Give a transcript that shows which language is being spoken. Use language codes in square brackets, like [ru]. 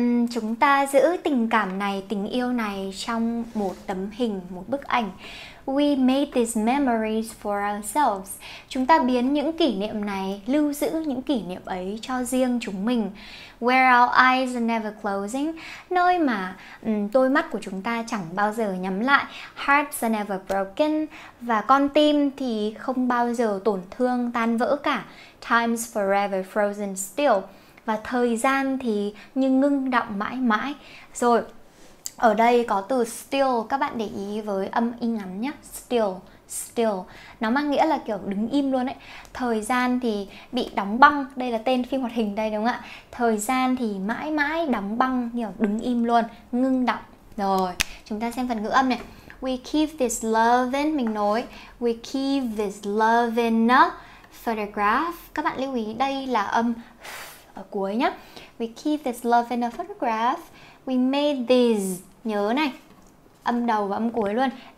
[vi] Chúng ta giữ tình cảm này, tình yêu này trong một tấm hình, một bức ảnh. [en] We made these memories for ourselves. [vi] Chúng ta biến những kỷ niệm này, lưu giữ những kỷ niệm ấy cho riêng chúng mình. [en] Where our eyes are never closing, [vi] nơi mà đôi mắt của chúng ta chẳng bao giờ nhắm lại. [en] Hearts are never broken, [vi] và con tim thì không bao giờ tổn thương, tan vỡ cả. [en] Time's forever frozen still. [vi] Và thời gian thì như ngưng đọng mãi mãi. Rồi, ở đây có từ still, các bạn để ý với âm i ngắn nhé. Still, still. Nó mang nghĩa là kiểu đứng im luôn ấy. Thời gian thì bị đóng băng. Đây là tên phim hoạt hình đây đúng không ạ? Thời gian thì mãi mãi đóng băng, kiểu đứng im luôn, ngưng đọng. Rồi, chúng ta xem phần ngữ âm này. [en] We keep this loving, [vi] mình nói. [en] We keep this loving a photograph. [vi] Các bạn lưu ý đây là âm ở cuối nhé. [en] We keep this love in a photograph. We made these. [vi] Nhớ này, âm đầu và âm cuối luôn.